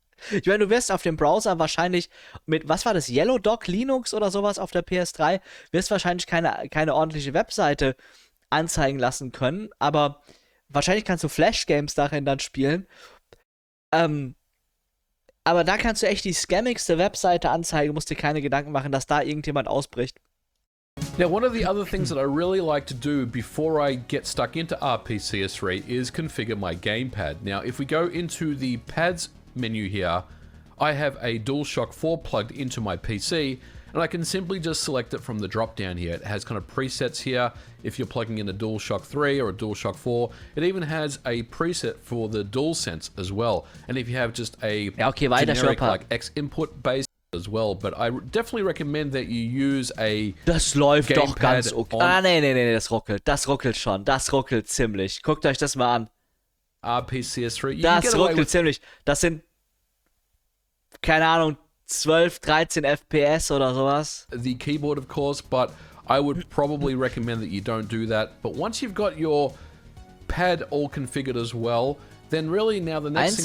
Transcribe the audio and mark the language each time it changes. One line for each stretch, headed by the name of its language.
German: Ich meine, du wirst auf dem Browser wahrscheinlich mit, was war das, Yellow Dog Linux oder sowas auf der PS3, wirst wahrscheinlich keine ordentliche Webseite anzeigen lassen können, aber wahrscheinlich kannst du Flash-Games darin dann spielen. Aber da kannst du echt die scammigste Webseite anzeigen, musst dir keine Gedanken machen, dass da irgendjemand ausbricht.
English: Now, one of the other things that I really like to do before I get stuck into RPCS3 is configure my gamepad. Now, if we go into the pads menu here, I have a DualShock 4 plugged into my PC, and I can simply just select it from the drop-down here. It has kind of presets here. If you're plugging in a DualShock 3 or a DualShock 4, it even has a preset for the DualSense as well. And if you have just a generic like X input base as well, but I definitely recommend that you use a
German: Das läuft Gamepad doch ganz okay. Ah, nee, das ruckelt. Das ruckelt schon. Das ruckelt ziemlich. Guckt euch das mal an.
English: RPCS3.
German: Das ruckelt ziemlich. Das sind, keine Ahnung, 12, 13 FPS oder sowas.
English: The keyboard, of course, but I would probably recommend that you don't do that. But once you've got your pad all configured as well, then really now the next